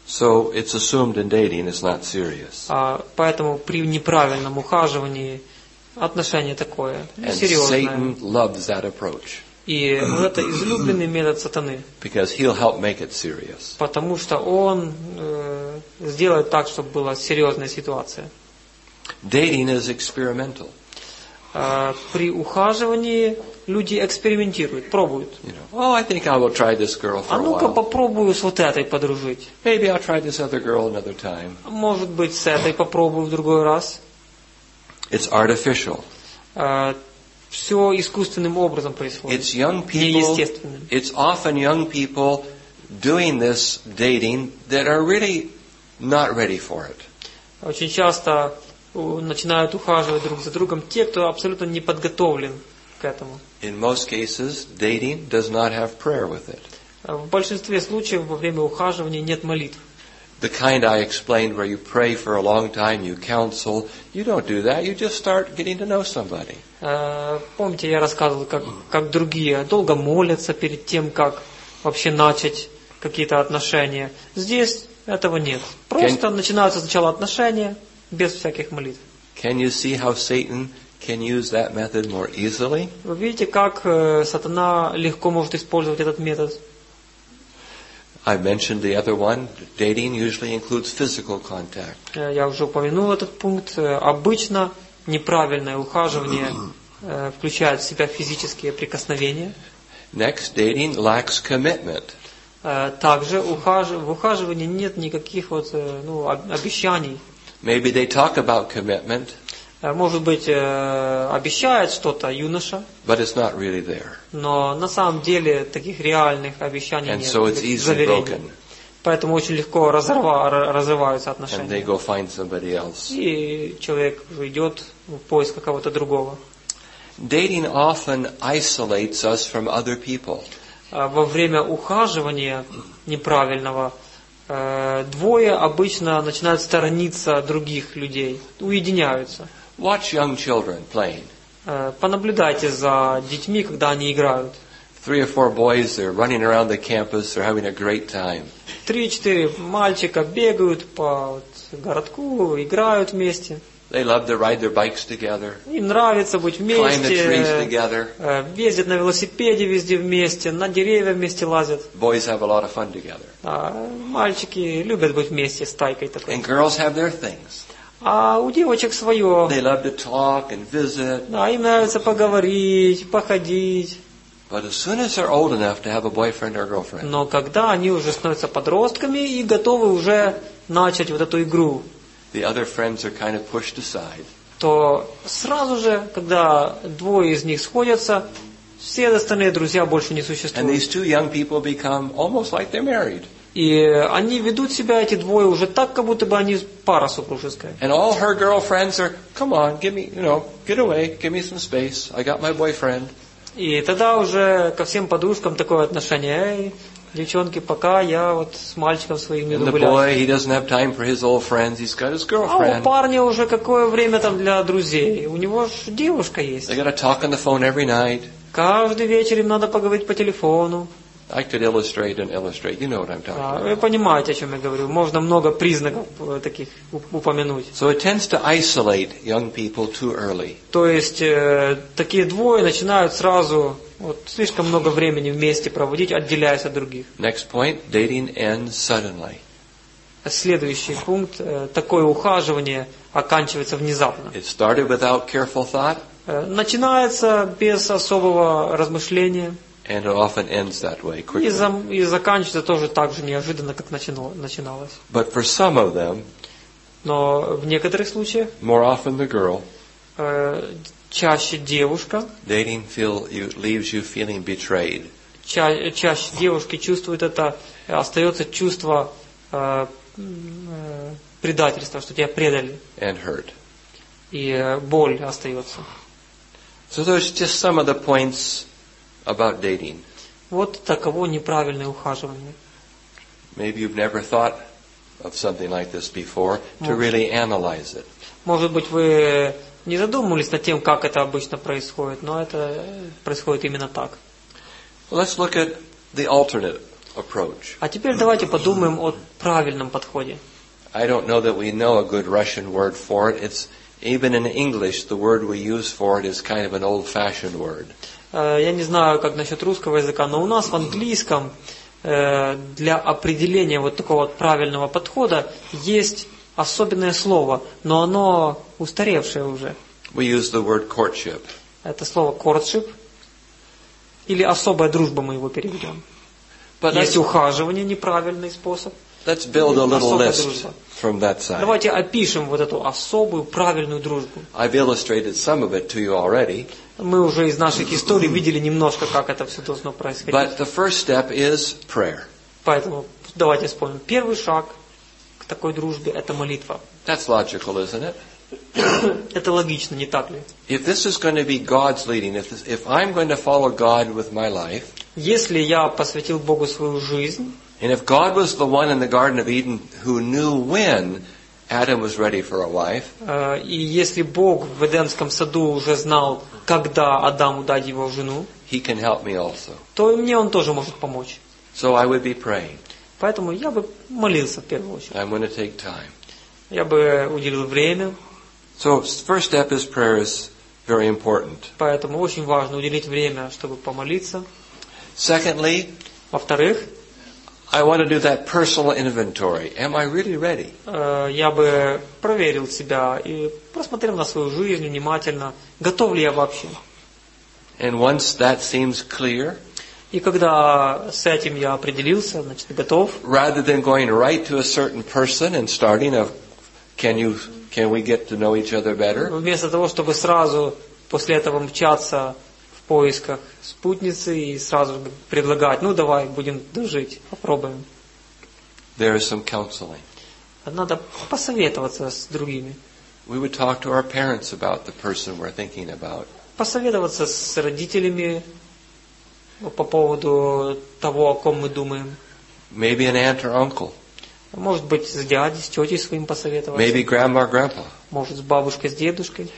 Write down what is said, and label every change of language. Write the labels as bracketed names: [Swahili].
[English] So it's assumed in dating is not serious. [Russian] Поэтому при неправильном ухаживании отношение такое, серьезное. [English] And Satan loves that approach. [Russian] И это излюбленный метод сатаны. [English] Because he'll help make it serious. [Russian] Потому что он сделает так, чтобы была серьезная ситуация. [English] Dating is experimental. [Russian] При ухаживании люди экспериментируют, пробуют. [English] Oh, I think I will try this girl for a while. [Russian] А ну-ка попробую с вот этой подружить. [English] Maybe I'll try this other girl another time. [Russian] Может быть, с этой попробую в другой раз. [English] It's artificial. [Russian] Все искусственным образом происходит. [English] It's young people. [Russian] Неестественным. [English] It's often young people doing this dating that are really not ready for it. [Russian] Очень часто начинают ухаживать друг за другом те, кто абсолютно не подготовлен к этому. [English] In most cases, dating does not have prayer with it. [Russian] В большинстве случаев во время ухаживания нет молитв. [English] The kind I explained where you pray for a long time, you counsel, you don't do that, you just start getting to know somebody. [Russian] Помните, я рассказывал, как другие долго молятся перед тем, как вообще начать какие-то отношения. Здесь этого нет. Просто начинаются сначала отношения, без всяких молитв. [English] Can you see how Satan can use that method more easily? [Russian] Вы видите, как сатана легко может использовать этот метод? [English] I mentioned the other one. Dating usually includes physical contact. [Russian] Я уже упомянул этот пункт. Обычно неправильное ухаживание включает в себя физические прикосновения. [English] Next, dating lacks commitment. [Russian] Также в ухаживании нет никаких вот обещаний. [English] Maybe they talk about commitment. [Russian] Может быть, обещает что-то юноша. [English] But it's not really there. [Russian] Но на самом деле таких реальных обещаний [English] and [Russian] нет. [English] And so it's easily broken. [Russian] Поэтому очень легко разрываются отношения. [English] And they go find somebody else. [Russian] И человек уже идет в поиск какого-то другого. [English] Dating often isolates us from other people. [Russian] Во время ухаживания неправильного двое обычно начинают сторониться других людей, уединяются. [English] Watch young children playing. [Russian] Понаблюдайте за детьми, когда они играют. [English] Three or four boys, they're running around the campus, they're having a great time. [Russian] 3-4 мальчика бегают по городку, играют вместе. [English] They love to ride their bikes together. [Russian] Им нравится быть вместе. [English] Climb the trees together. [Russian] Ездят на велосипеде везде вместе, на деревья вместе лазят. [English] Boys have a lot of fun together. [Russian] Мальчики любят быть вместе стайкой такой. [English] And girls have their things. [Russian] А у девочек свое. [English] They love to talk and visit. [Russian] Да, им нравится поговорить, походить. [English] But as soon as they're old enough to have a boyfriend or girlfriend. [Russian] Но когда они уже становятся подростками и готовы уже начать вот эту игру. [English] The other friends are kind of pushed aside. [Russian] То сразу же, когда двое из них сходятся, все остальные друзья больше не существуют. [English] And these two young people become almost like they're married. [Russian] И они ведут себя, эти двое, уже так, как будто бы они пара супружеская. [English] And all her girlfriends are, come on, give me, get away, give me some space, I got my boyfriend. [Russian] И тогда уже ко всем подружкам такое отношение: эй, девчонки, пока я вот с мальчиком своим не гуляю. [English] And the boy, he doesn't have time for his old friends, he's got his girlfriend. [Russian] А у парня уже какое время там для друзей? У него ж девушка есть. [English] They gotta talk on the phone every night. [Russian] Каждый вечер им надо поговорить по телефону. [English] I could illustrate and illustrate. You know what I'm talking about. [Russian] Вы понимаете, о чем я говорю. Можно много признаков таких упомянуть. [English] So it tends to isolate young people too early. [Russian] То есть такие двое начинают сразу слишком много времени вместе проводить, отделяясь от других. [English] Next point: dating ends suddenly. [Russian] Следующий пункт: такое ухаживание оканчивается внезапно. [English] It started without careful thought. [Russian] Начинается без особого размышления. [English] And it often ends that way quickly. [Russian] И заканчивается тоже так же неожиданно, как начиналось. [English] But for some of them, [Russian] но в некоторых случаях, [English] more often the girl, [Russian] чаще девушка, [English] dating leaves you feeling betrayed. [Russian] Чаще девушки чувствуют это, остается чувство предательства, что тебя предали. [English] And hurt. [Russian] И боль остается. [English] So those are just some of the points about dating. [Russian] Вот таково неправильное ухаживание. [English] Maybe you've never thought of something like this before to really analyze it. [Russian] Может быть, вы не задумывались над тем, как это обычно происходит, но это происходит именно так. [English] Let's look at the alternate approach. [Russian] А теперь давайте подумаем о правильном подходе. [English] I don't know that we know a good Russian word for it. It's even in English, the word we use for it is kind of an old-fashioned word. [Russian] Я не знаю, как насчет русского языка, но у нас в английском для определения вот такого вот правильного подхода есть особенное слово, но оно устаревшее уже. [English] We use the word courtship. [Russian] Это слово courtship, или особая дружба мы его переведем. [English] But [Russian] есть ухаживание, неправильный способ. [English] Let's build a little list from that side. [Russian] Давайте опишем вот эту особую правильную дружбу. [English] I've illustrated some of it to you already. [Russian] Мы уже из наших историй видели немножко, как это все должно происходить. [English] But the first step is prayer. [Russian] Поэтому давайте вспомним. Первый шаг к такой дружбе – это молитва. [English] That's logical, isn't it? [Russian] Это логично, не так ли? [English] If this is going to be God's leading, if I'm going to follow God with my life, [Russian] если я посвятил Богу свою жизнь, [English] and if God was the one in the Garden of Eden who knew when Adam was ready for a wife, [Russian] и если Бог в Эдемском саду уже знал, когда Адаму дать его жену, [English] he can help me also. [Russian] То и мне он тоже может помочь. [English] So I would be praying. [Russian] Поэтому я бы молился в первую очередь. [English] I'm going to take time. [Russian] Я бы уделил время. [English] So first step is prayer is very important. [Russian] Поэтому очень важно уделить время, чтобы помолиться. [English] Secondly, [Russian] во-вторых, [English] I want to do that personal inventory. Am I really ready? [Russian] Я бы проверил себя и просмотрел на свою жизнь внимательно. Готов ли я вообще? [English] And once that seems clear, [Russian] и когда с этим я определился, значит, готов. [English] Rather than going right to a certain person and starting a can we get to know each other better? [Russian] Вместо того, чтобы сразу после этого мчаться в поисках спутницы и сразу предлагать, ну давай, будем дружить, попробуем. [English] There is some counseling. [Russian] Надо посоветоваться с другими. [English] We would talk to our parents about the person we're thinking about. [Russian] Посоветоваться с родителями по поводу того, о ком мы думаем. [English] Maybe an aunt or uncle. [Russian] Может быть, с дядей, с тетей своим посоветоваться. [English] Maybe grandma or grandpa. [Russian] Может, с бабушкой, с дедушкой.